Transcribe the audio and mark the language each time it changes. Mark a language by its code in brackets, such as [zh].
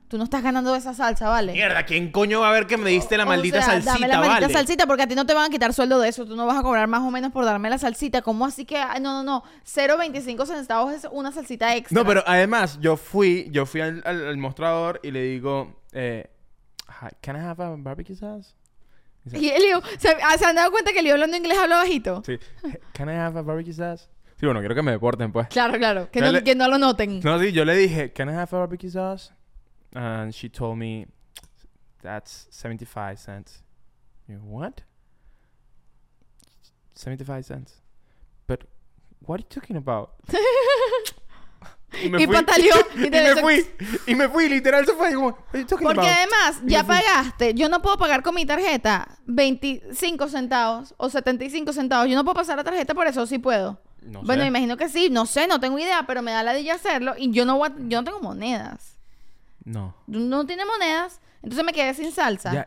[es] Tú no estás ganando esa salsa, ¿vale? Mierda, ¿quién coño va a ver que me diste la maldita salsita, ¿vale? Dame la maldita ¿vale? salsita porque a ti no te van a quitar sueldo de eso. Tú no vas a cobrar más o menos por darme la salsita. ¿Cómo así que...? Ay, no. 0.25 centavos es una salsita extra. No, pero además, yo fui al mostrador y le digo... [en] Can I have a barbecue sauce? [es] Y él dijo... ¿Se han dado cuenta que el Leo hablando inglés habla bajito? Sí. [en] Can I have a barbecue sauce? [es] Sí, bueno, quiero que me deporten, pues. Claro, claro. Que no lo noten. No, sí, yo le dije... [en] Can I have a barbecue sauce? And she told me, that's 75 cents. What? 75 cents. But what are you talking about? [es] Y pataleó. Y me fui. Literal, se fue. Y como, [en] what are you talking [es] porque [en] about? [es] Además, ya pagaste. Yo no puedo pagar con mi tarjeta 25 centavos o 75 centavos. Yo no puedo pasar la tarjeta por eso, sí puedo. No sé. Bueno, imagino que sí. No sé, no tengo idea. Pero me da la dilla hacerlo. Y yo no tengo monedas. No tiene monedas. Entonces me quedé sin salsa.